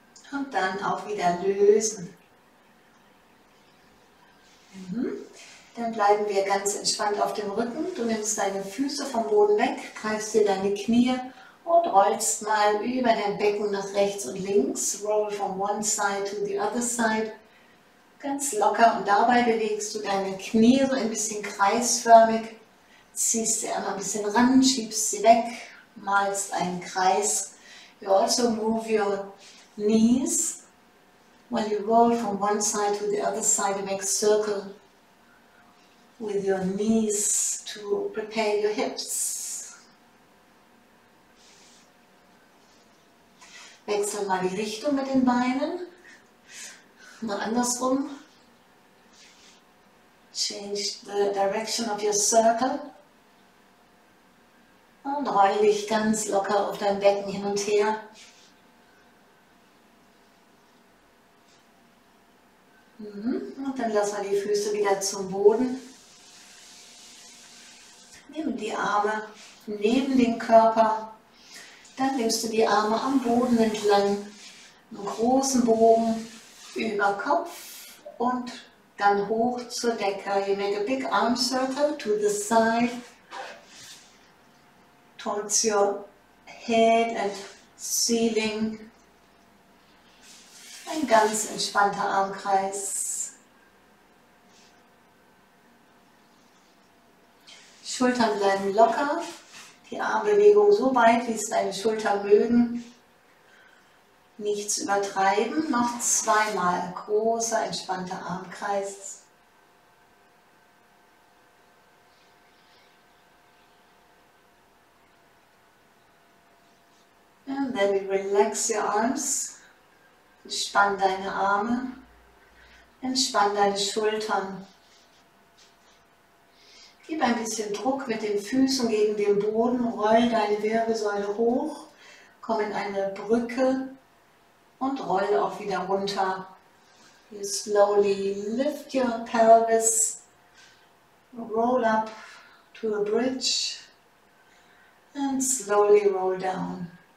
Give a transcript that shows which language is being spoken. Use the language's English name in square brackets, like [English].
[German] Und dann auch wieder lösen. Dann bleiben wir ganz entspannt auf dem Rücken. Du nimmst deine Füße vom Boden weg, greifst dir deine Knie und rollst mal über dein Becken nach rechts und links. [English] Roll from one side to the other side. [German] Ganz locker und dabei bewegst du deine Knie so ein bisschen kreisförmig. Ziehst sie einmal ein bisschen ran, schiebst sie weg, malst einen Kreis. [English] You also move your knees while you roll from one side to the other side and make a circle with your knees to prepare your hips. [German] Wechsel mal die Richtung mit den Beinen. Mal andersrum. [English] Change the direction of your circle. [German] Und roll dich ganz locker auf dein Becken hin und her. Und dann lass mal die Füße wieder zum Boden. Nimm die Arme neben den Körper, dann nimmst du die Arme am Boden entlang, einen großen Bogen über Kopf und dann hoch zur Decke. [English] You make a big arm circle to the side, towards your head and ceiling. [German] Ein ganz entspannter Armkreis. Schultern bleiben locker, die Armbewegung so weit, wie es deine Schultern mögen. Nichts übertreiben, noch zweimal. Großer, entspannter Armkreis. [English] And then relax your arms. [German] Entspann deine Arme. Entspann deine Schultern. Gib ein bisschen Druck mit den Füßen gegen den Boden, roll deine Wirbelsäule hoch, komm in eine Brücke und roll auch wieder runter. [English] You slowly lift your pelvis, roll up to a bridge and slowly roll down.